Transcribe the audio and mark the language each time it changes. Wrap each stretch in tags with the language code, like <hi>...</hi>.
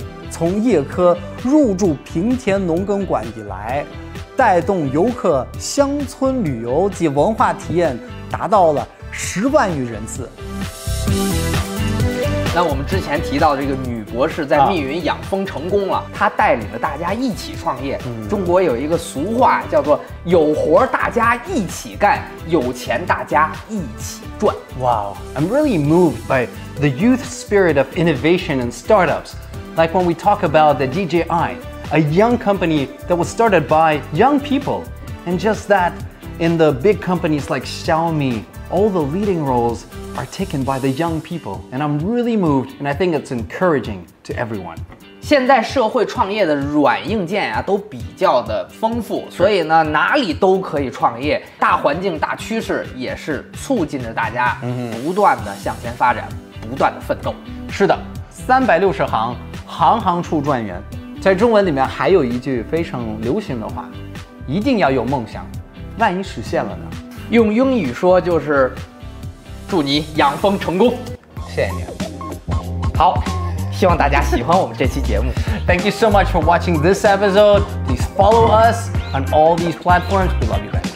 <zh>从叶科入驻平田农耕馆以来，带动游客乡村旅游及文化体验达到了10万余人次。那我们之前提到这个女博士在密云养蜂成功了，她带领着大家一起创业。中国有一个俗话叫做有活大家一起干，有钱大家一起赚。</zh> <en>Wow, I'm really moved by the youth spirit of innovation and startups. Like when we talk about the DJI, a young company that was started by young people. And just that, in the big companies like Xiaomi, all the leading roles are taken by the young people. And I'm really moved, and I think it's encouraging to everyone.</en> <zh>现在社会创业的软硬件啊都比较的丰富，所以呢哪里都可以创业，大环境大趋势也是促进着大家不断的向前发展，不断的奋斗。是的，360行，行行出状元。在中文里面还有一句非常流行的话，一定要有梦想，万一实现了呢？用英语说就是祝你养蜂成功。谢谢你。好，希望大家喜欢我们这期节目。</zh> <en>Thank you so much for watching this episode. Please follow us on all these platforms. We love you guys.</en>